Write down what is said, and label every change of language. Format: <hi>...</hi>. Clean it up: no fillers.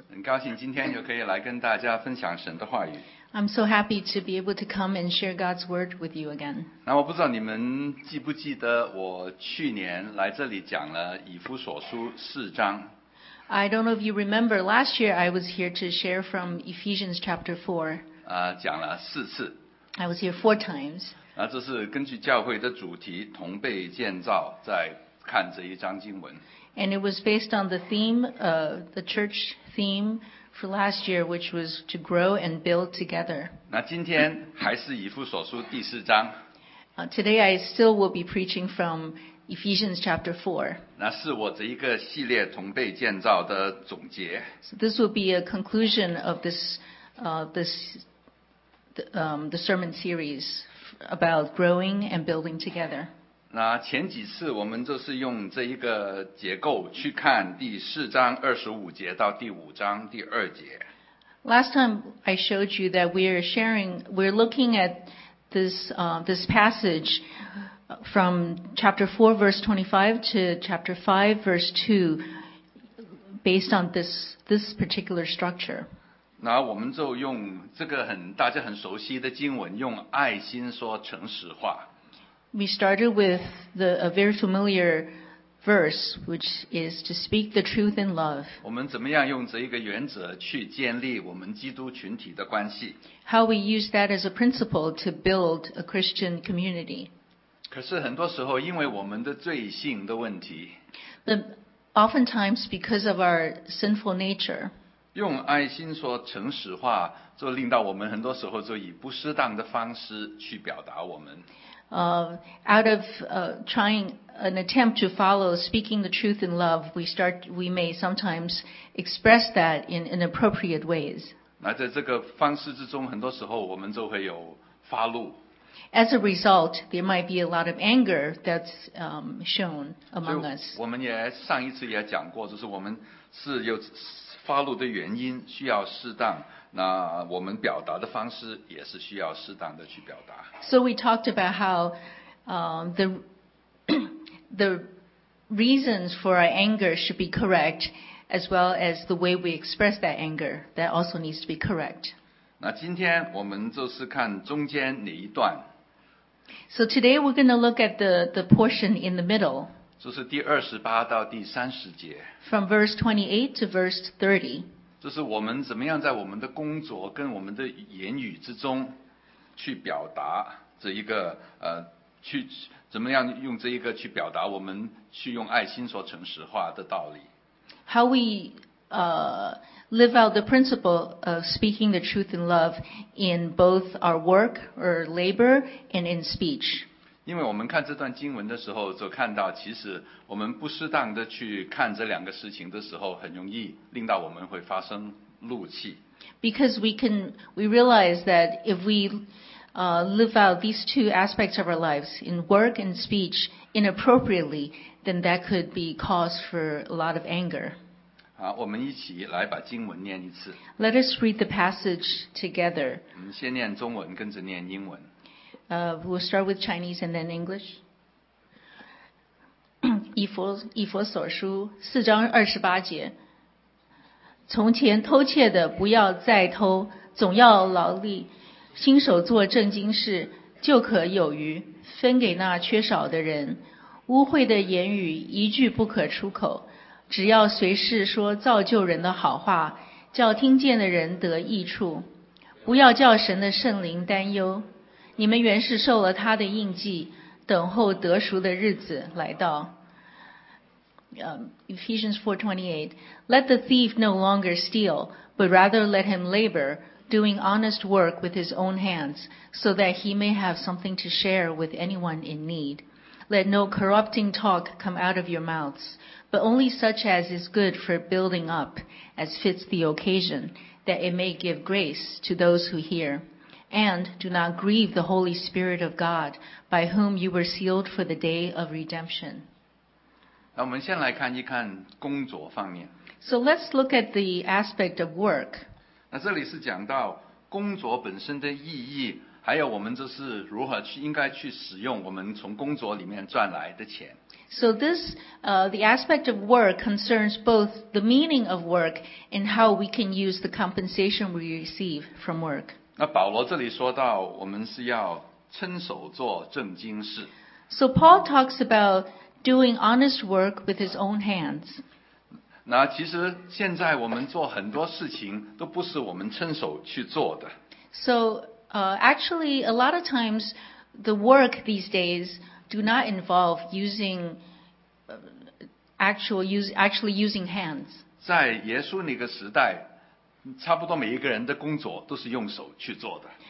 <zh>很高兴今天就可以来跟大家分享神的话语。</zh> <en>I'm so happy to be able to come and share God's word with you again.</en> <zh>那我不知道你们记不记得我去年来这里讲了以弗所书四章。</zh> <en>I don't know if you remember, last year I was here to share from Ephesians chapter 4.</en> <zh>讲了四次。</zh> <en>I was here four times.</en> <zh>那这是根据教会的主题同被建造在看这一章经文。</zh> <en>And it was based on the theme, the church theme for last year, which was to grow and build together.</en> <zh>那今天还是以弗所书第四章。</zh> <en>Today I still will be preaching from Ephesians chapter 4.</en> <zh>那是我这一个系列同被建造的总结。</zh> <en>So this will be a conclusion of this, the sermon series about growing and building together.</en> <zh>那前几次我们就是用这一个结构去看第四章二十五节到第五章第二节。</zh> <en>Last time I showed you that we're looking at this passage from chapter 4 verse 25 to chapter 5 verse 2 based on this particular structure.</en> <zh>那我们就用这个大家很熟悉的经文，用爱心说诚实话。</zh> <en>We started with a very familiar verse, which is to speak the truth in love.</en> <zh>我们怎么样用这一个原则去建立我们基督群体的关系？</zh> <en>How we use that as a principle to build a Christian community.</en> <zh>可是很多时候因为我们的罪性的问题，</zh> <en>But oftentimes because of our sinful nature,</en> <zh>用爱心说诚实话，就令到我们很多时候就以不适当的方式去表达我们。</zh> <en>Out of trying an attempt to follow speaking the truth in love, we may sometimes express that in inappropriate ways.</en> <zh>那在这个方式之中，很多时候我们就会有发怒。</zh> <en>As a result, there might be a lot of anger that's shown among us.</en> <zh>我们也上一次也讲过，就是我们是有发怒的原因，需要适当。那我们表达的方式也是需要适当的去表达。</zh> <en>So we talked about how the reasons for our anger should be correct, as well as the way we express that anger, that also needs to be correct.</en> <zh>那今天我们就是看中间哪一段。</zh> <en>So today we're going to look at the portion in the middle.</en> <zh>就是第二十八到第三十节。</zh> <en>From verse 28 to verse 30.</en> <zh>就是我们怎么样在我们的工作跟我们的言语之中去表达这一个去怎么样用这一个去表达我们去用爱心说诚实话的道理。</zh> <en>How we live out the principle of speaking the truth in love in both our work or labor and in speech.</en> <zh>因为我们看这段经文的时候，就看到其实我们不适当的去看这两个事情的时候，很容易令到我们会发生怒气。</zh> <en>Because we realize that if we live out these two aspects of our lives in work and speech inappropriately, then that could be cause for a lot of anger.</en> <zh>好，我们一起来把经文念一次。</zh> <en>Let us read the passage together.</en> <zh>我们先念中文，跟着念英文。</zh> <en>We'll start with Chinese and then English.</en> <zh>以弗所书四章二十八节，从前偷窃的不要再偷，总要劳力，亲手做正经事，就可有余，分给那缺少的人。污秽的言语一句不可出口，只要随时说造就人的好话，叫听见的人得益处，不要叫神的圣灵担忧。你们原是受了他的印记，等候得赎的日子来到。</zh> <en>Ephesians 4:28. Let the thief no longer steal, but rather let him labor, doing honest work with his own hands, so that he may have something to share with anyone in need. Let no corrupting talk come out of your mouths, but only such as is good for building up, as fits the occasion, that it may give grace to those who hear. And do not grieve the Holy Spirit of God, by whom you were sealed for the day of redemption.</en> <zh>那我们先来看一看工作方面。</zh> <en>So let's look at the aspect of work.</en> <zh>那这里是讲到工作本身的意义，还有我们就是如何去应该去使用我们从工作里面赚来的钱。</zh> <en>So this, the aspect of work concerns both the meaning of work and how we can use the compensation we receive from work.</en> <zh>那保罗这里说到我们是要称手做正经事。</zh> <en>So Paul talks about doing honest work with his own hands.</en> <zh>那其实现在我们做很多事情都不是我们称手去做的。</zh> <en>So, actually, a lot of times, the work these days do not involve using, actually using hands.</en> <zh>在耶稣那个时代，差不多每一个人的工作都是用手去做的。</zh>